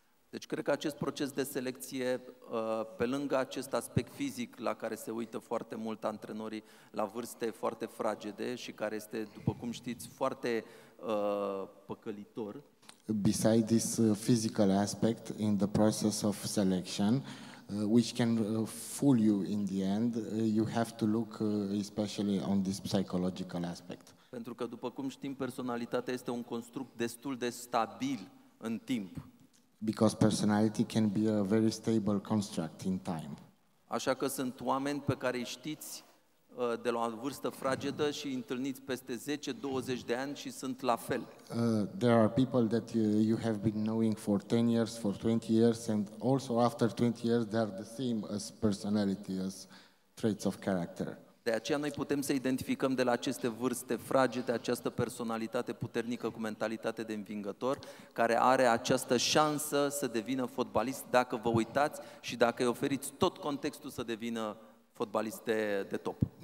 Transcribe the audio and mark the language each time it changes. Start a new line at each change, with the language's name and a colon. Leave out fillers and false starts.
Romanian: Deci cred că acest proces de selecție, pe lângă acest aspect fizic la care se uită foarte mult antrenorii la vârste foarte fragede și care este, după cum știți, foarte păcălitor.
English: Beside this physical aspect in the process of selection, which can fool you in the end, you have to look especially on this psychological aspect.
Romanian: Pentru că, după cum știm, personalitatea este un construct destul de stabil în timp.
English: Because personality can be a very stable construct in time.
Romanian: Așa că sunt oameni pe care îi știți de la o vârstă fragedă și îi întâlniți peste 10-20 de ani și sunt la fel.
English: There are people that you have been knowing for 10 years, for 20 years, and also after 20 years they are the same as personality, as traits of character.
Romanian: De aceea noi putem să identificăm de la aceste vârste fragede această personalitate puternică cu mentalitate de învingător care are această șansă să devină fotbalist dacă vă uitați și dacă îi oferiți tot contextul să devină fotbalist de top.